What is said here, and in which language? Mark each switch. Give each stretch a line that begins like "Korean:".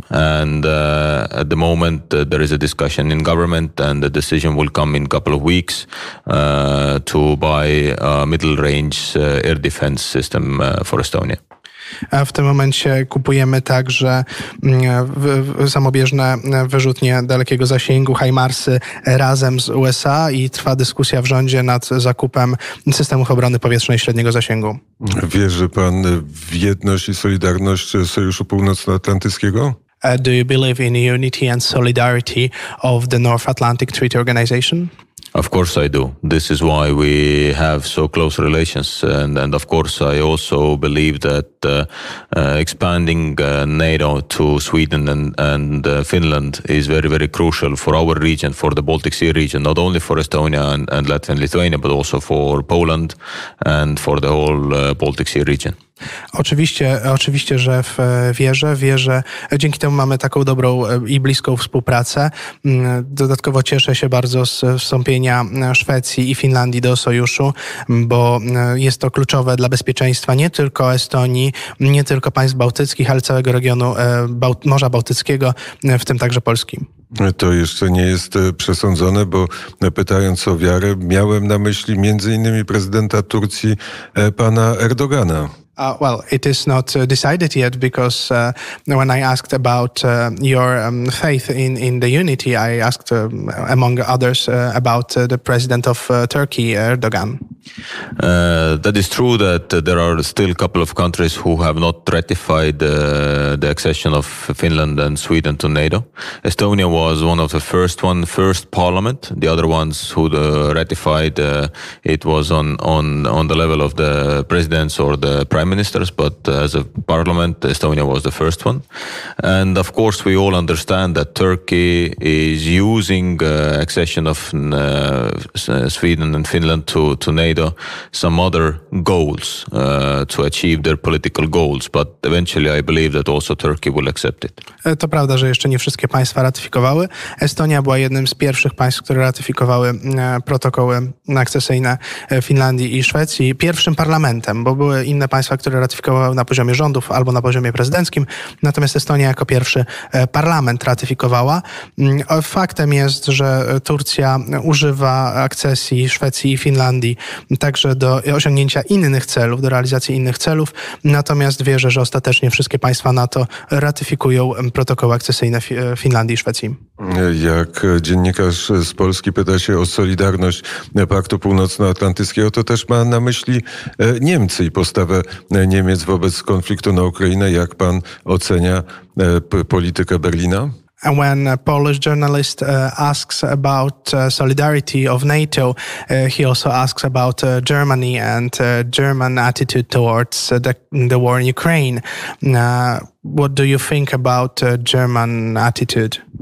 English: And at the moment there is a discussion in government, and the decision will come in a couple of weeks to buy a middle-range air defense system for Estonia.
Polish: W tym momencie kupujemy także samobieżne wyrzutnie dalekiego zasięgu HIMARS-y razem z USA i trwa dyskusja w rządzie nad zakupem systemów obrony powietrznej średniego zasięgu. Wierzy pan w jedność i solidarność Sojuszu Północnoatlantyckiego?
English: Do you believe in unity and solidarity of the North Atlantic Treaty Organization? Of course I do. This is why we have so close relations, and of course I also believe that expanding NATO to Sweden and Finland is very, very crucial for our region, for the Baltic Sea region, not only for Estonia and Latvia and Lithuania, but also for Poland and for the whole Baltic Sea region.
Polish: Oczywiście, że wierzę. Dzięki temu mamy taką dobrą i bliską współpracę. Dodatkowo cieszę się bardzo z wstąpienia Szwecji i Finlandii do sojuszu, bo jest to kluczowe dla bezpieczeństwa nie tylko Estonii, nie tylko państw bałtyckich, ale całego regionu Morza Bałtyckiego, w tym także Polski. To jeszcze nie jest przesądzone, bo pytając o wiarę, miałem na myśli między innymi prezydenta Turcji, pana Erdogana.
English: Well, it is not decided yet, because when I asked about your faith in the unity, I asked, among others, about the president of Turkey, Erdogan. That is true that there are still a couple of countries who have not ratified the accession of Finland and Sweden to NATO. Estonia was one of the first parliament. The other ones who ratified it was on the level of the presidents or the prime ministers, but as a parliament, Estonia was the first one. And of course, we all understand that Turkey is using accession of Sweden and Finland to NATO some other goals to achieve their political goals, but eventually I believe that also Turkey will accept it.
Polish: To prawda, że jeszcze nie wszystkie państwa ratyfikowały. Estonia była jednym z pierwszych państw, które ratyfikowały protokoły akcesyjne Finlandii i Szwecji pierwszym parlamentem, bo były inne państwa, które ratyfikowały na poziomie rządów albo na poziomie prezydenckim, natomiast Estonia jako pierwszy parlament ratyfikowała. Faktem jest, że Turcja używa akcesji Szwecji i Finlandii także do osiągnięcia innych celów, do realizacji innych celów, natomiast wierzę, że ostatecznie wszystkie państwa NATO ratyfikują protokoły akcesyjne Finlandii i Szwecji. Jak dziennikarz z Polski pyta się o solidarność Paktu Północnoatlantyckiego, to też ma na myśli Niemcy i postawę Niemiec wobec konfliktu na Ukrainę. Jak pan ocenia politykę Berlina?
English: And when a Polish journalist asks about solidarity of NATO, he also asks about Germany and German attitude towards the war in Ukraine. What do you think about German attitude?